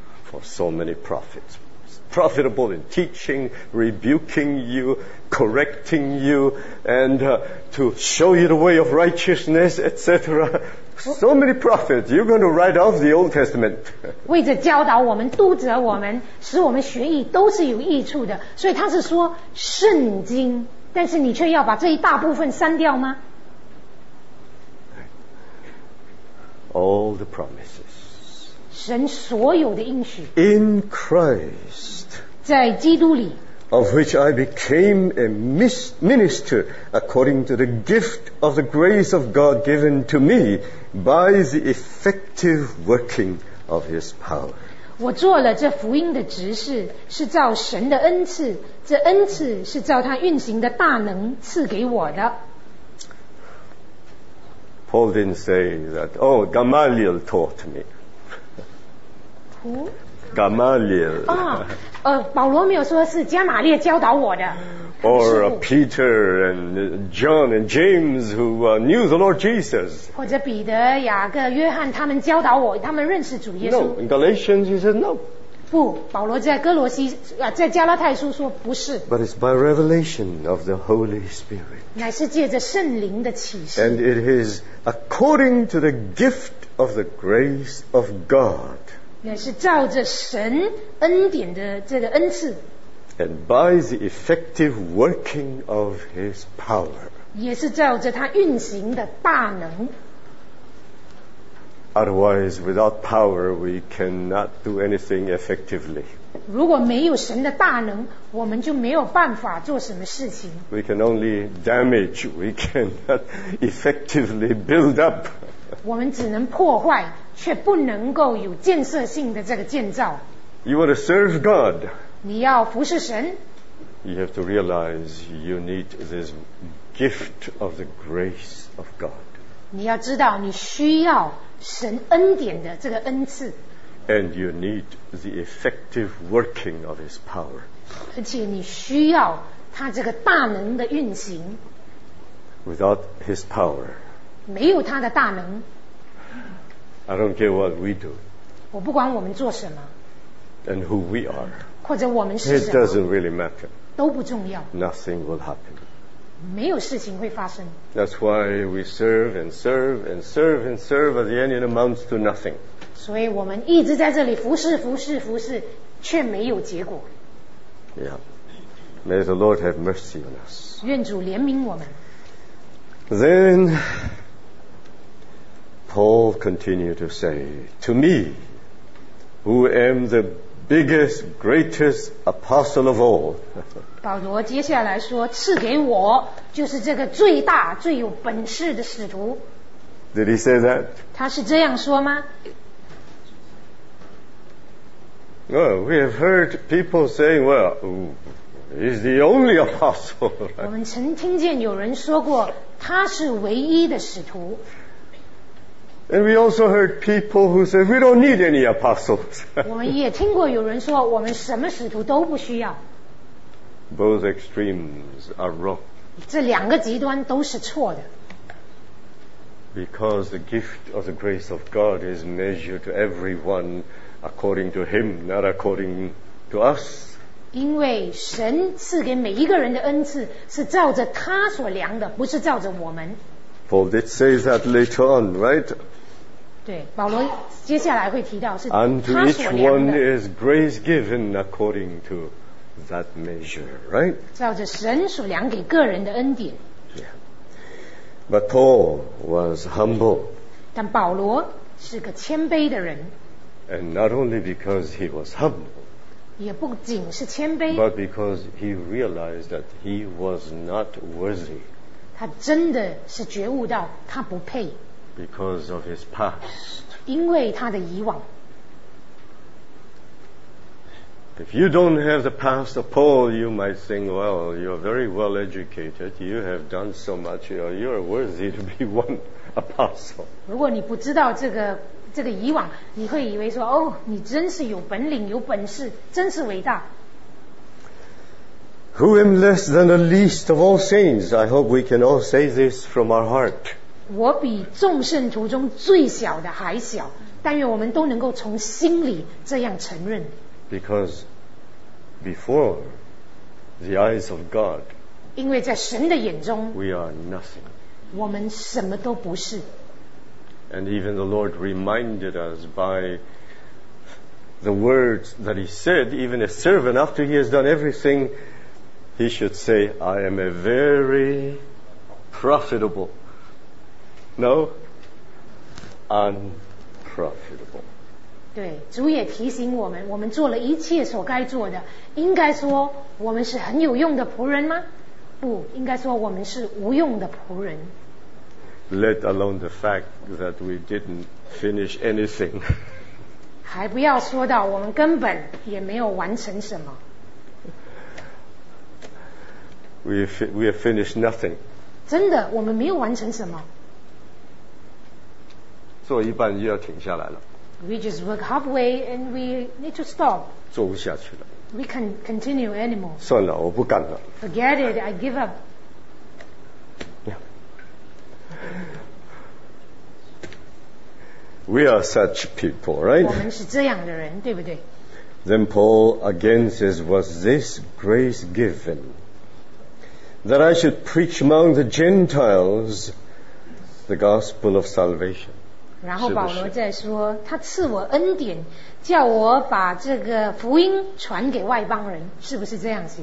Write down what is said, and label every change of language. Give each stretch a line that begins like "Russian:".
English: For so many prophets, profitable in teaching, rebuking you, correcting you, and to show you the way of righteousness, etc. So many prophets, you're going to write off the Old Testament.
Chinese: 为着教导我们、督责我们、使我们学义，都是有益处的。所以他是说圣经，但是你却要把这一大部分删掉吗
English: ？All the promises.
Chinese: 神所有的应许。
English: In Christ.
Chinese: 在基督里。
English: Of which I became a minister according to the gift of the grace of God given to me by the effective working of His power.
Chinese: 我做了这福音的执事，是照神的恩赐，这恩赐是照他运行的大能赐给我的。
English: Paul didn't say that. Oh, Gamaliel taught me. Who? Gamaliel.
Chinese: Oh, 保罗没有说是加玛列教导我的。
English: Or Peter and John and James who knew the Lord Jesus.
Chinese: 或者彼得、雅各、约翰他们教导我，他们认识主耶稣。
English: No, in Galatians he said no.
Chinese: 不，保罗在哥罗西啊，在加拉太书说不是。
English: But it's by revelation of the Holy Spirit.
Chinese: 乃是借着圣灵的启示。
English: And it is according to the gift of the grace of God.
Chinese: 乃是照着神恩典的这个恩赐
English: and by the effective working of his power
Chinese: 也是照着他运行的大能
English: otherwise without power we cannot do anything effectively
Chinese: 如果没有神的大能我们就没有办法做什么事情
English: we can only damage we cannot effectively build up
Chinese: 我们只能破坏却不能够有建设性的这个建造
English: You want to serve God
Chinese: 你要服侍神
English: You have to realize you need this gift of the grace of God
Chinese: 你要知道你需要神恩典的这个恩赐
English: And you need the effective working of His power
Chinese: 而且你需要他这个大能的运行
English: Without His power
Chinese: 没有他的大能
English: I don't care what we do.
Chinese: 我不管我们做什么。
English: And who we are.
Chinese: 或者我们是什么。
English: It doesn't really matter.
Chinese: 都不重要。
English: Nothing will happen.
Chinese: 没有事情会发生。
English: That's why we serve and serve and serve and serve. At the end it amounts to nothing.
Chinese: 所以我们一直在这里服侍服侍服侍却没有结果。
English: Yeah. May the Lord have mercy on us.
Chinese: 愿主怜悯我们。
English: Then... Paul continued to say, To me, who am the biggest, greatest apostle of all.
Chinese: 保罗接下来说，赐给我就是这个最大最有本事的使徒。
English: Did he say that?
Chinese: 他是这样说吗？
English: Well, we have heard people saying, well, he's the only apostle.
Chinese: 我们曾听见有人说过，他是唯一的使徒。
English: And we also heard people who said we don't need any apostles.
Chinese: 我们也听过有人说我们什么使徒都不需要。
English: Both extremes are wrong.
Chinese: 这两个极端都是错的。
English: Because the gift of the grace of God is measured to everyone according to Him, not according to us.
Chinese: 因为神赐给每一个人的恩赐是照着他所量的，不是照着我们。
English: Paul did say that later on, right?
Chinese: 对，保罗接下来会提到是他所量的。
English: Unto each one is grace given according to that measure, right?
Chinese: 照着神所量给个人的恩典。
English: But Paul was humble.
Chinese: 但保罗是个谦卑的人。
English: And not only because he was humble,
Chinese: 也不仅是谦卑，
English: but because he realized that he was not worthy.
Chinese: 他真的是觉悟到他不配。
English: Because of his past.
Chinese: 因为他的以往。
English: If you don't have the past of Paul, you might think, well, you're very well educated, you have done so much, you're worthy to be one apostle.
Chinese: 如果你不知道这个以往，你会以为说，哦，你真是有本领，有本事，真是伟大。
English: Who am less than the least of all saints? I hope we can all say this from our heart.
Chinese: 我比众圣徒中最小的还小，但愿我们都能够从心里这样承认。
English: Because before the eyes of God,
Chinese: 因为在神的眼中，
English: we are nothing.
Chinese: 我们什么都不是。
English: And even the Lord reminded us by the words that He said, even a servant, after he has done everything, he should say, I am a very profitable. No? Unprofitable.
Chinese: 对，主也提醒我们，我们做了一切所该做的，应该说我们是很有用的仆人吗？不，应该说我们是无用的仆人。
English: Let alone the fact that we didn't finish anything.
Chinese: 还不要说到我们根本也没有完成什么。
English: We have finished nothing.
Chinese: 真的，我们没有完成什么。做一半又要停下来了。
English: We just work halfway and we need to stop.
Chinese: 做不下去了。
English: We can't continue anymore.
Chinese: 算了，我不干了。
English: Forget it, I give up. We are such people, right?
Chinese: 我们是这样的人，对不对？
English: Then Paul again says, was this grace given? That I should preach among the Gentiles the gospel of salvation.
Chinese: 然后保罗再说，他赐我恩典，叫我把这个福音传给外邦人，是不是这样子？